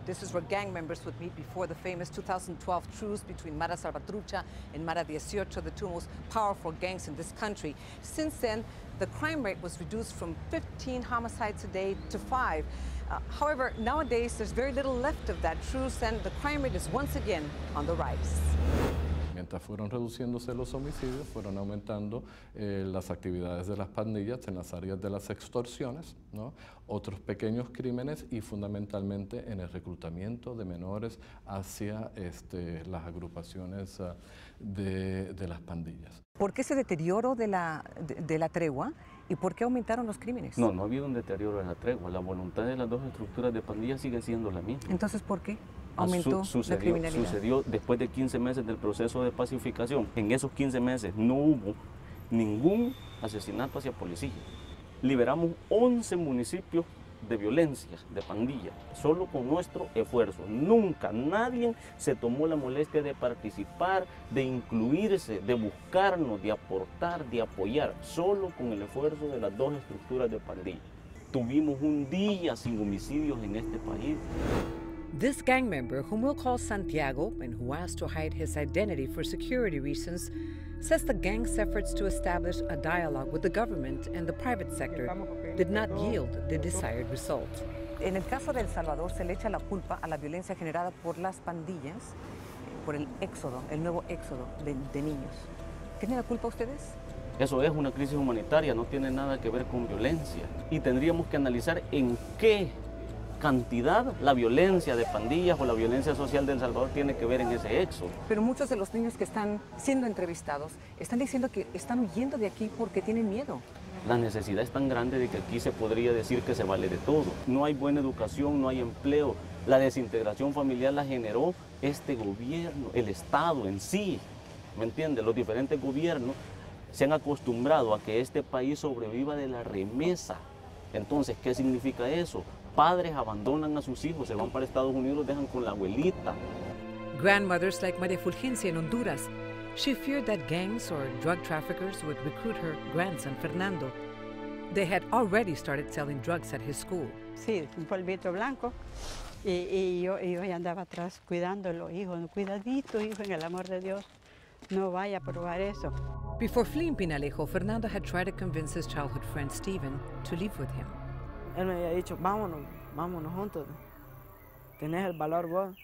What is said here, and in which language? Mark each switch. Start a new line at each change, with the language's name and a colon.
English: This is where gang members would meet before the famous 2012 truce between Mara Salvatrucha and Mara 18, the two most powerful gangs in this country. Since then, the crime rate was reduced from 15 homicides a day to 5. However, nowadays, there's very little left of that truce, and the crime rate is once again on the rise.
Spanish: Mientras fueron reduciéndose los homicidios, fueron aumentando las actividades de las pandillas en las áreas de las extorsiones, ¿no? Otros pequeños crímenes y fundamentalmente en el reclutamiento de menores hacia las agrupaciones de las pandillas. ¿Por qué se deterioró de la tregua y por qué aumentaron los crímenes? No, no ha habido un deterioro de la tregua. La voluntad de las dos estructuras de pandillas sigue siendo la misma. Entonces, ¿por qué aumentó la criminalidad? Sucedió después de 15 meses del proceso de pacificación. En esos 15 meses no hubo ningún asesinato hacia policías. Liberamos 11 municipios de violencia, de pandilla, solo con nuestro esfuerzo. Nunca nadie se tomó la molestia de participar, de incluirse, de buscarnos, de aportar, de apoyar, solo con el esfuerzo de las dos estructuras de pandilla. Tuvimos un día sin homicidios en este país.
English: This gang member, whom we'll call Santiago, and who asked to hide his identity for security reasons, says the gang's efforts to establish a dialogue with the government and the private sector did not yield the desired result.
Spanish: En el caso de El Salvador, se le echa la culpa a la violencia generada por las pandillas, por el éxodo, el nuevo éxodo de niños. ¿Tienen la culpa ustedes? Eso es una crisis humanitaria, no tiene nada que ver con violencia. Y tendríamos que analizar en qué cantidad la violencia de pandillas o la violencia social de El Salvador tiene que ver en ese éxodo. Pero muchos de los niños que están siendo entrevistados están diciendo que están huyendo de aquí porque tienen miedo. La necesidad es tan grande de que aquí se podría decir que se vale de todo. No hay buena educación, no hay empleo. La desintegración familiar la generó este gobierno, el Estado en sí. ¿Me entiendes? Los diferentes gobiernos se han acostumbrado a que este país sobreviva de la remesa. Entonces, ¿qué significa eso? Padres abandonan a sus hijos, se van para Estados Unidos, los dejan con la abuelita.
English: Grandmothers like María Fulgencia in Honduras, she feared that gangs or drug traffickers would recruit her grandson Fernando. They had already started selling drugs at his school.
Spanish: Sí, un polvito blanco. Y yo ya andaba atrás cuidándolo, hijo, cuidadito, hijo, en el amor de Dios. No vaya a probar eso.
English: Before fleeing Pinalejo, Fernando had tried to convince his childhood friend Steven to live with him.
Spanish: Él me había dicho, vámonos juntos. Tenés el valor vos.